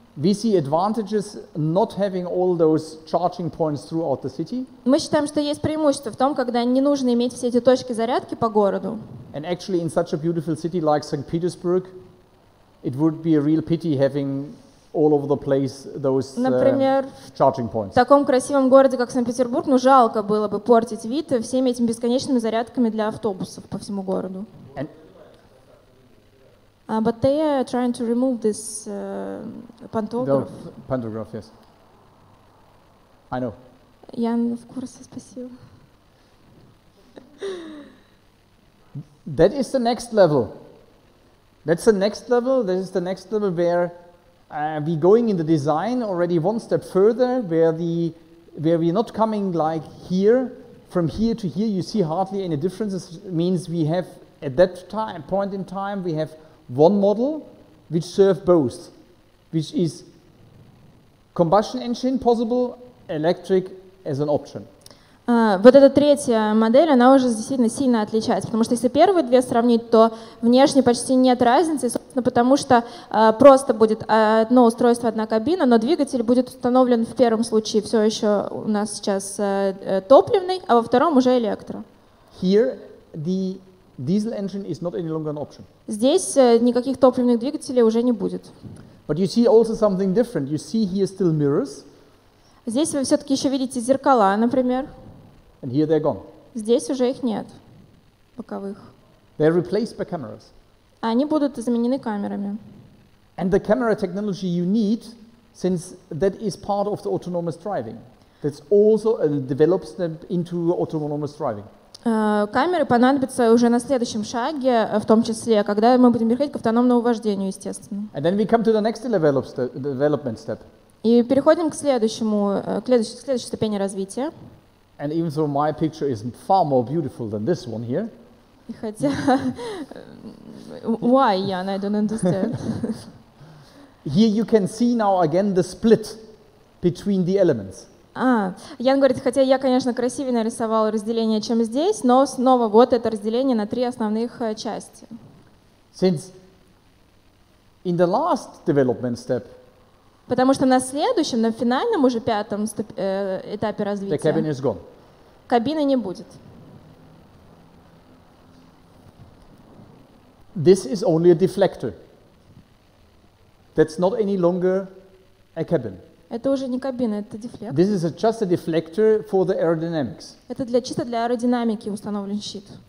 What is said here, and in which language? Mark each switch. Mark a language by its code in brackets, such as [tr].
[en] We see advantages not having all those charging points throughout the city. [ru] Мы считаем, что есть преимущество в том, когда не нужно иметь все эти точки зарядки по городу. [en] And actually, in such a beautiful city like St. Petersburg, it would be a real pity having all over the place those charging points. [ru] Например, в таком красивом городе, как Санкт-Петербург, ну жалко было бы портить вид всеми этими бесконечными зарядками для автобусов по всему городу. [en] And But they are trying to remove this pantograph. The pantograph, yes. I know. Jan, of course, спасибо. That is the next level. That's the next level. This is the next level where we're going in the design already one step further, where we're not coming like here, from here to here. You see hardly any difference. This means we have at that time point in time we have one model which serves both, which is combustion engine possible, electric as an option. [ru] Вот эта третья модель, она уже действительно сильно отличается, потому что если первые две сравнить, то внешне почти нет разницы, собственно, потому что просто будет одно устройство, одна кабина, но двигатель будет установлен в первом случае все еще у нас сейчас топливный, а во втором уже электро. [en] Here the diesel engine is not any longer an option. [ru] Здесь никаких топливных двигателей уже не будет. [en] But you see also something different. You see here still mirrors. [ru] Здесь вы все-таки еще видите зеркала, например. [en] And here they're gone. [ru] Здесь уже их нет, боковых. [en] They're replaced by cameras. [ru] Они будут заменены камерами. [en] And the camera technology you need, since that is part of the autonomous driving. That's also develops them into autonomous driving. [ru] Камеры понадобятся уже на следующем шаге, в том числе, когда мы будем переходить к автономному вождению, естественно. [en] And then we come to the next development step. [ru] И переходим к следующему, к следующей ступени развития. [en] And even though my picture is far more beautiful than this one here. [ru] И хотя, [en] why, Jan, I don't understand. Here you can see now again the split between the elements. [ru] А, Jan говорит, хотя я, конечно, красивее нарисовал разделение, чем здесь, но снова вот это разделение на три основных части. [en] Since in the last development step. [ru] Потому что на следующем, на финальном уже пятом этапе развития. [en] The cabin is gone. [ru] Кабины не будет. [en] This is only a deflector. That's not any longer a cabin. [ru] Это уже не кабина, это дефлектор. [en] This is just a deflector for the aerodynamics. [ru] Это для чисто для аэродинамики установлен щит.